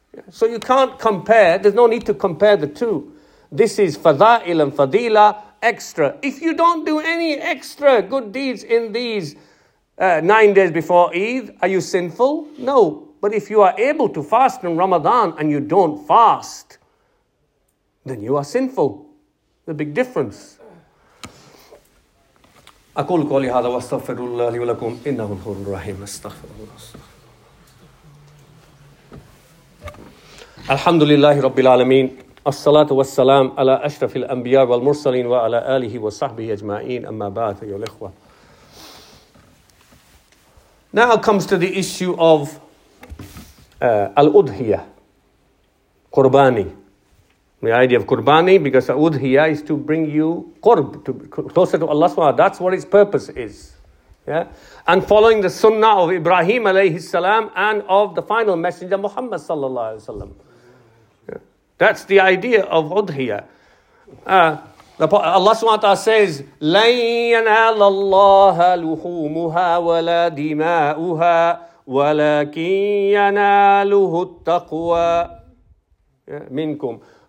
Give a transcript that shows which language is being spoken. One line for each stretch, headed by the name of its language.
English: So you can't compare. There's no need to compare the two. This is fadail and fadila, extra. If you don't do any extra good deeds in these 9 days before Eid, are you sinful? No. But if you are able to fast in Ramadan and you don't fast, then you are sinful. The big difference.
Arabic: أقول قولي هذا واستغفر الله لي ولكم إنه الغفور الرحيم استغفر الله الحمد لله رب العالمين الصلاة والسلام على أشرف الأنبياء والمرسلين وعلى آله وصحبه أجمعين أما بعد أيها الإخوة.
English: Now comes to the issue of الأضحية قرباني. The idea of qurbani, because udhiyah is to bring you qurb, to be closer to Allah subhanahu wa ta'ala. That's what its purpose is. Yeah? And following the sunnah of Ibrahim alayhi salam and of the final messenger Muhammad sallallahu alayhi wa sallam. That's the idea of udhiyah. Allah subhanahu wa ta'ala says,
Arabic: لَنْ يَنَالَ اللَّهَ لُحُومُهَا وَلَا دِمَاؤُهَا وَلَكِنْ يَنَالُهُ التَّقْوَى مِنْكُمْ.